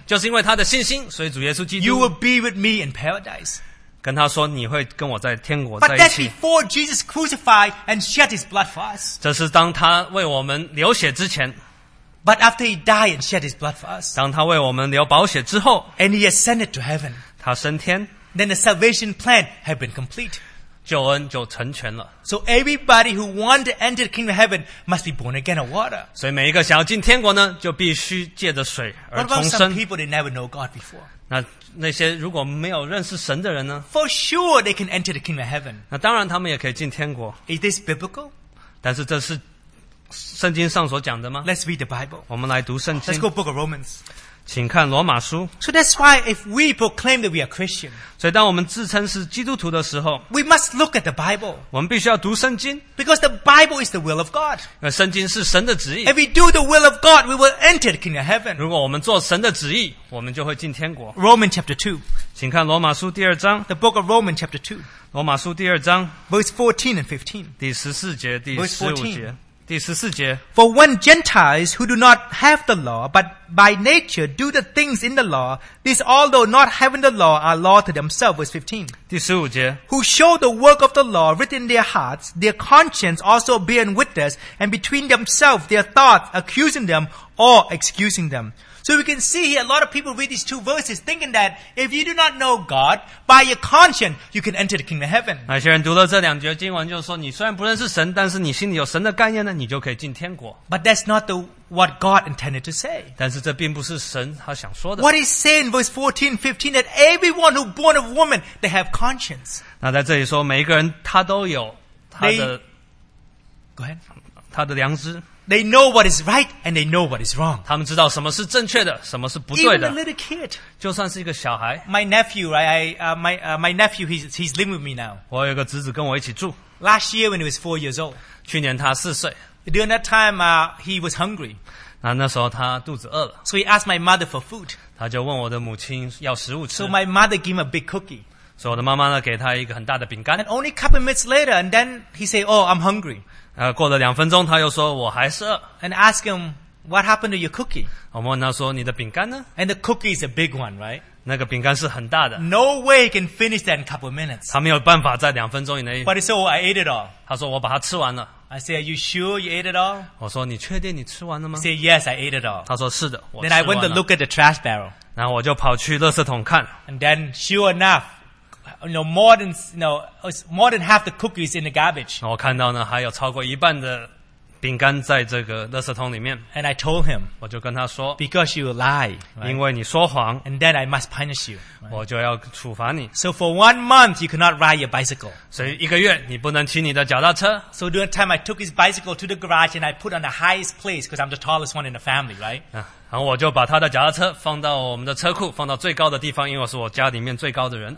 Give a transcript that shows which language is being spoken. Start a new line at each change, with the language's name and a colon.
Chinese: 就是因为他的信心，所以主耶稣基督
English: ，You will be with me in paradise.
Chinese: 跟他说你会跟我在天国在一起。
English: But that's before Jesus crucified and shed his blood for us.
Chinese: 这是当他为我们流血之前。
English: But after he died and shed his blood for us.
Chinese: 当他为我们流宝血之后。
English: And he ascended to heaven.
Chinese: 他升天。
English: Then the salvation plan had been complete.
Chinese: 救恩就成全了。
English: So everybody who want to enter the kingdom of heaven must be born again of water.
Chinese: 所以每一个想要进天国呢，就必须借着水而重生。
English: What about some people that never know God before?
Chinese: 那些如果没有认识神的人呢
English: ？For sure they can enter the kingdom of heaven.
Chinese: 那当然他们也可以进天国。
English: Is this biblical?
Chinese: 但是这是圣经上所讲的吗
English: ？Let's read the Bible.
Chinese: 我们来读圣经。
English: Let's go book of Romans.
Chinese: 请看罗马书。
English: So that's why if we proclaim that we are Christian,
Chinese: 所以当我们自称是基督徒的时候
English: we must look at the Bible.
Chinese: 我们必须要读圣经。
English: Because the Bible is the will of God.
Chinese: 因为圣经是神的旨意。
English: If we do the will of God, we will enter the kingdom of heaven.
Chinese: 如果我们做神的旨意，我们就会进天国。
English: Romans chapter 2.
Chinese: 请看罗马书第二章。
English: The book of Romans chapter 2.
Chinese: 罗马书第二章。
English: Verse 14 and 15.
Chinese: 第十四节，第十五节。第十四节
English: For when Gentiles who do not have the law but by nature do the things in the law, these although not having the law are law to themselves. Verse 15.
Chinese: 第十五节
English: Who show the work of the law written in their hearts, their conscience also bearing witness, and between themselves their thoughts accusing them or excusing them. So we can see here a lot of people read these two verses thinking that if you do not know God by your conscience, you can enter the kingdom of heaven.
Chinese: 那些人读了这两节经文，就是说你虽然不认识神，但是你心里有神的概念呢，你就可以进天国。
English: But that's not the what God intended to say.
Chinese: 但是这并不是神他想说的。
English: What he said in verse 14, 15, that everyone who born of woman they have conscience.
Chinese: 那在这里说，每一个人他都有他的
English: go ahead.
Chinese: 他的良知。
English: They know what is right and they know what is wrong.
Chinese: 他们知道什么是正确的，什么是不对的。
English: Even a little kid.
Chinese: 就算是一个小孩。
English: My nephew, right? My nephew, he's living with me now.
Chinese: 我有一个侄子跟我一起住。
English: Last year when he was 4 years old.
Chinese: 去年他四岁。
English: During that time, he was hungry.
Chinese: 那时候他肚子饿了。
English: So he asked my mother for food.
Chinese: 他就问我的母亲要食物吃。
English: So my mother gave him a big cookie.
Chinese: 所以我的妈妈呢，给他一个很大的饼干。
English: And only a couple minutes later, and then he said, "Oh, I'm hungry."
Chinese: 过了两分钟他又说我还是饿。
English: And ask him, what happened to your cookie?
Chinese: 我问他说你的饼干呢
English: ?And the cookie is a big one, right?
Chinese: 那个饼干是很大的。
English: No way he can finish that in a couple of minutes.
Chinese: 他没有办法在两分钟以内。
English: But he said, oh, I ate it all.
Chinese: 他说我把它吃完了。
English: I said, are you sure you ate it all?
Chinese: 我说你确定你吃完了吗
English: ?He said, yes, I ate it all.
Chinese: 他说是的。
English: Then I went to look at the trash barrel.
Chinese: 然后我就跑去垃圾桶看。
English: And then, sure enough,more than half the cookies in the garbage.
Chinese: 我看到呢，还有超过一半的饼干在这个垃圾桶里面。
English: And I told him,
Chinese: 我就跟他说
English: ，Because you lie,
Chinese: 因为你说谎。
English: And then I must punish you,
Chinese: 我就要处罚你。
English: So for 1 month you cannot ride your bicycle.
Chinese: 所以一个月你不能骑你的脚踏车。
English: So during time I took his bicycle to the garage and I put on the highest place because I'm the tallest one in the family, right?
Chinese: 然后我就把他的脚踏车放到我们的车库，放到最高的地方，因为我是我家里面最高的人。